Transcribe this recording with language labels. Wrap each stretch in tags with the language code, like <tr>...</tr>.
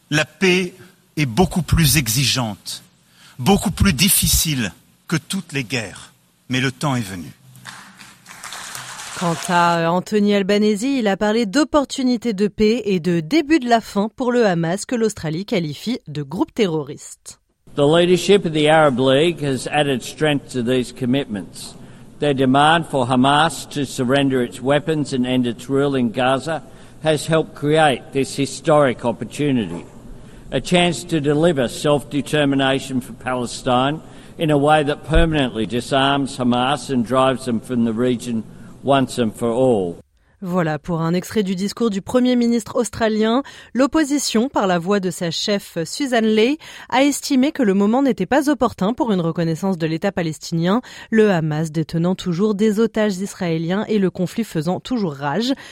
<fr>La paix est beaucoup plus exigeante, beaucoup plus difficile que toutes les guerres. Mais le temps est venu. Quant à Anthony Albanese, il a parlé d'opportunité de paix et de début de la fin pour le Hamas que l'Australie qualifie de groupe terroriste.</fr> <en>The leadership of the Arab League has added strength to these commitments. Their demand for Hamas to surrender its weapons and end its rule in Gaza has helped create this historic opportunity. A chance to deliver self-determination for Palestine in a way that permanently disarms Hamas and drives them from the region. Once and for all.</en> <fr>Voilà pour un extrait du discours du Premier ministre australien. L'opposition, par la voix de sa chef Susan Ley, a estimé que le moment n'était pas opportun pour une reconnaissance de l'État palestinien, le Hamas détenant toujours des otages israéliens et le conflit faisant toujours rage.</fr>